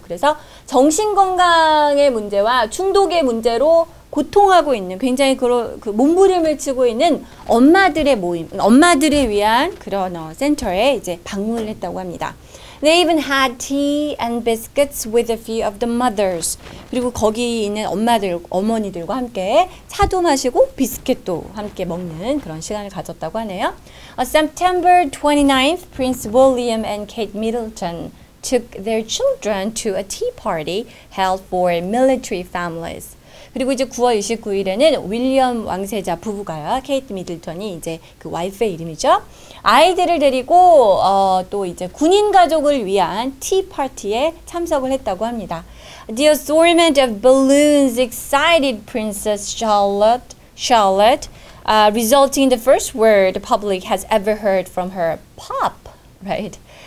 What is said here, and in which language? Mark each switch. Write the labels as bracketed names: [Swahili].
[Korean] 그래서 정신건강의 문제와 중독의 문제로 고통하고 있는 굉장히 그 몸부림을 치고 있는 엄마들의 모임, 엄마들을 위한 그런 센터에 이제 방문을 했다고 합니다. [English] They even had tea and biscuits with a few of the mothers. [Korean] 그리고 거기 있는 엄마들, 어머니들과 함께 차도 마시고 비스킷도 함께 먹는 그런 시간을 가졌다고 하네요. [English] On September 29th, Prince William and Kate Middleton took their children to a tea party held for military families. [Korean] 그리고 이제 9월 29일에는 윌리엄 왕세자 부부가요. 케이트 미들턴이 이제 그 와이프의 이름이죠. 아이들을 데리고 또 이제 군인 가족을 위한 티 파티에 참석을 했다고 합니다. [English] The assortment of balloons excited Princess Charlotte, resulting in the first word the public has ever heard from her, pop, right?